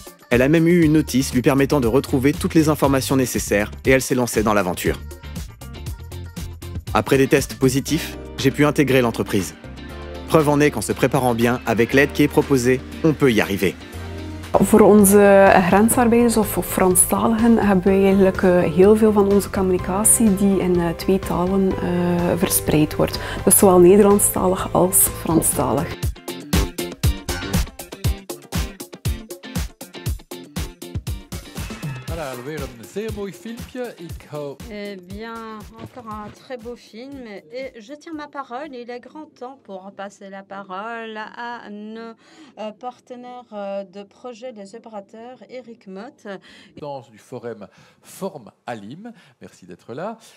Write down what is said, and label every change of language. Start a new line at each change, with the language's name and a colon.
French: Elle a même eu une notice lui permettant de retrouver toutes les informations nécessaires et elle s'est lancée dans l'aventure. Après des tests positifs, j'ai pu intégrer l'entreprise. Preuve en est qu'en se préparant bien, avec l'aide qui est proposée, on peut y arriver.
Dutch: Voor onze grensarbeiders of Franstaligen hebben we eigenlijk heel veel van onze communicatie die in twee talen verspreid wordt. Dus zowel Nederlandstalig als Franstalig. Voilà, weer een zeer mooi filmpje. Ik hou.
French: Eh bien, encore un très beau film. Et je tiens ma parole. Il est grand temps pour passer la parole à nos partenaires de projet, les opérateurs, Eric Mott. Dans du forum Form Alim. Merci d'être là.